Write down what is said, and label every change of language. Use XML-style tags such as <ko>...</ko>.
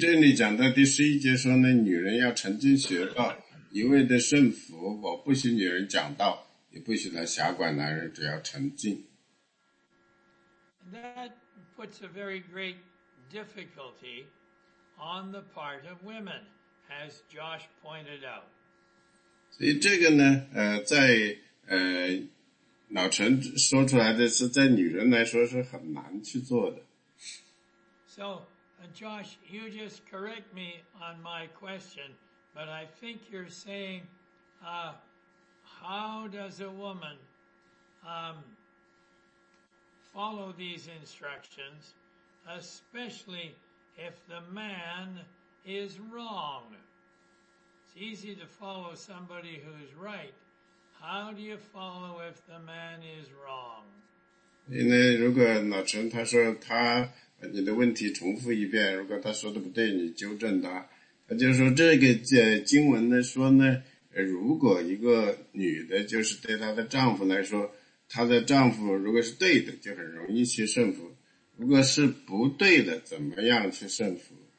<zh>这里讲到第十一节说呢，女人要沉浸学道，一味的顺服，我不许女人讲道，也不许她辖管男人，只要沉浸。</zh> <en>That puts a very great difficulty on the part of women, as Josh pointed out.</en> <zh>所以这个呢，在老陈说出来的是，在女人来说是很难去做的。</zh> <en>So. Josh, you just correct me on my question, but I think you're saying, how does a woman, follow these instructions, especially if the man is wrong? It's easy to follow somebody who's right. How do you follow if the man is wrong?</en> <zh>因为如果老陈他说他你的问题重复一遍，如果他说的不对，你纠正他。他就说这个经文呢说呢，如果一个女的就是对她的丈夫来说，她的丈夫如果是对的，就很容易去顺服；如果是不对的，怎么样去顺服</zh>